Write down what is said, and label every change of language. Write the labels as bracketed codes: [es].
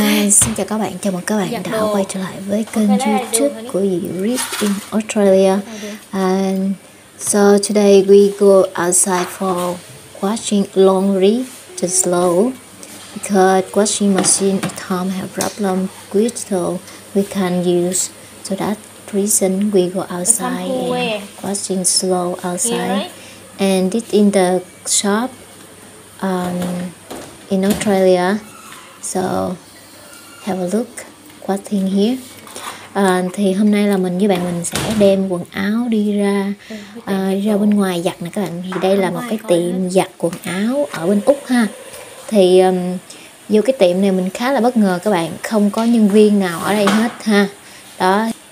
[vi] Xin chào các bạn, chào mừng các bạn đã quay trở lại với kênh YouTube của Read in Australia. [en] And so today we go outside for washing laundry to slow because washing machine at home have problem with so we can use. So that reason we go outside and washing slow outside. And it in the shop in Australia. So have a look what's in here. [vi] Thì hôm nay là mình với bạn mình sẽ đem quần áo đi ra ra bên ngoài giặt nè các bạn. Thì đây là một cái tiệm giặt quần áo ở bên Úc ha. Thì vô cái tiệm này mình khá là bất ngờ các bạn, không có nhân viên nào ở đây hết ha. Đó.